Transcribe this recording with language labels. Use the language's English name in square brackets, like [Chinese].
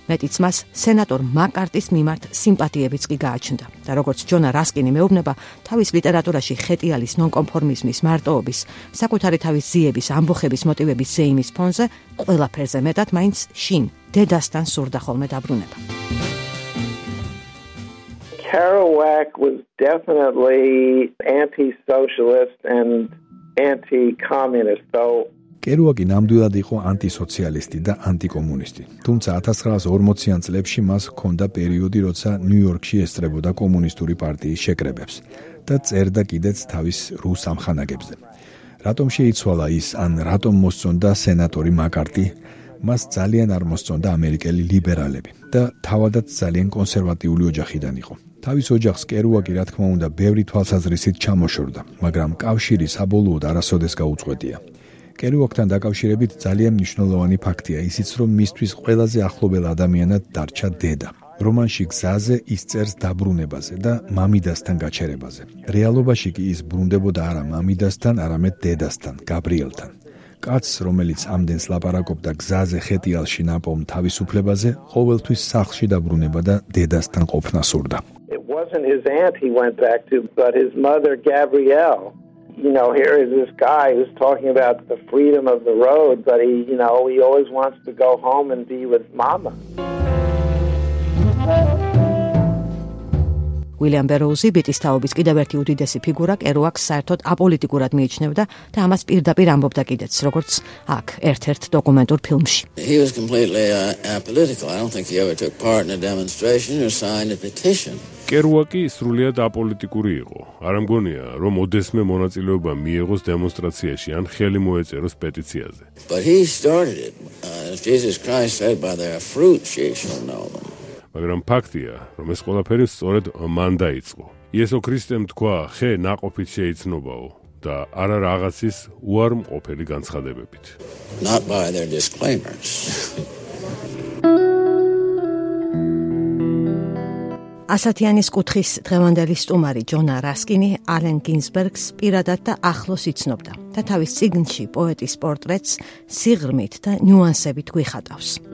[Georgian] მეტიც მას სენატორ მაკარტის მიმართ სიმპათიებიც კი გააჩნდა. და როგორც ჯონა რასკინი მეუბნება, თავის ლიტერატურაში ხეტიალის ნონკონფორმიზმის მარტოობის, საკუთარი თავის ძიების ამბოხების მოტივების ზეიმის ფონზე ყველაფერზე მეტად მაინც შინ დედასთან სურდა ხოლმე დაბრუნება. [English] Kerouac was definitely anti-socialist and anti-communist. [Georgian] Kerouac-ი ნამდვილად იყო ანტისოციალისტი და ანტიკომუნისტი. თუმცა 1940-იან წლებში მას ჰქონდა პერიოდი, როცა ნიუ-იორკში ესწრებოდა კომუნისტური პარტიის შეკრებებს და წერდა კიდეც თავის რუს ამხანაგებზე. რატომ შეიცვალა ის, ან რატომ მოსწონდა სენატორი მაკარტი? მას ძალიან არ მოსწონდა ამერიკელი ლიბერალები და თავადაც ძალიან კონსერვატიული ოჯახიდან იყო. თავის ოჯახს კერუაკი, რა თქმა უნდა, ბევრი თვალსაზრისით ჩამოშორდა, მაგრამ კავშირი საბოლოოდ არასოდეს გაუწყვეტია. კერუაკთან დაკავშირებით ძალიან მნიშვნელოვანი ფაქტია ისიც, რომ მისთვის ყველაზე ახლობელ ადამიანად დარჩა დედა. რომანში გზაზე ის წერს დაბრუნებაზე და მამიდასთან გაჩერებაზე. რეალობაში კი ის ბრუნდებოდა არა მამიდასთან, არამედ დედასთან, გაბრიელთან. კაცს, რომელიც ამდენს ლაპარაკობდა გზაზე ხეტიალში ნაპოვნ თავისუფლებაზე, ყოველთვის სახლში დაბრუნება და დედასთან ყოფნა სურდა. [English] Wasn't his aunt he went back to, but his mother Gabrielle. You know, here is this guy who's talking about the freedom of the road, but he, you know, he always wants to go home and be with mama. [Georgian] ვილიამ ბეროუზი ბიტის თაობის კიდევ ერთი უდიდესი ფიგურა კერუაკს საერთოდ აპოლიტიკურად მიიჩნევდა და ამას პირდაპირ ამბობდა კიდეც, როგორც აქ ერთ-ერთ დოკუმენტურ ფილმში. [English] He was completely apolitical. I don't think he ever took part in a demonstration or signed a petition. [Georgian] კერუაკი სრულიად აპოლიტიკური იყო. არ ამგონია, რომ ოდესმე მონაწილეობა მიიღოს დემონსტრაციაში ან ხელი მოეწეროს პეტიციაზე. [English] But he started it. Jesus Christ said by their fruits ye shall know them. [Georgian] მაგრამ ფაქტია, რომ ეს ყველაფერი სწორედ მან დაიწყო. იესო ქრისტემ თქვა, ხე ნაყოფით შეიცნობაო და არა რაღაცის უარმყოფელი განცხადებებით. [English] Not by their disclaimers. [Georgian] ასათიანის კუთხის დღევანდელი სტუმარი ჯონა რასკინი ალენ გინსბერგს პირადად და ახლოს იცნობდა და თავის წიგნში პოეტის პორტრეტს სიღრმით და ნიუანსებით გვიხატავს.